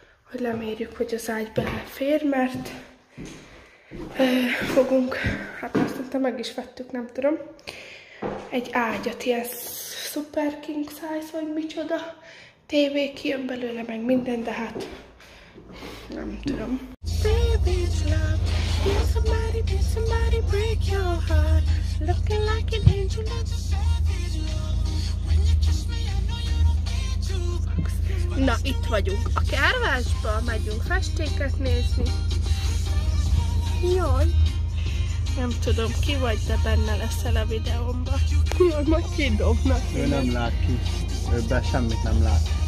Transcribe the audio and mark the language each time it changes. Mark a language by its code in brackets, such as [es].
[hu] Hogy lemérjük, hogy az ágy belefér, mert... fogunk, hát azt mondta, meg is vettük, nem tudom, egy ágyat, ilyen super king size, vagy micsoda, tévé kijön belőle, meg minden, de hát nem tudom. [en] Baby, it's love. Can somebody, can somebody break your heart? Looking like an angel, that's a savage. [hu] Na, itt vagyunk a kárvásba, megyünk festéket nézni. Jaj, nem tudom, ki vagy, de benne leszel a videómban. Jaj, majd kidobnak. Ő nem lát ki, ő be semmit nem lát.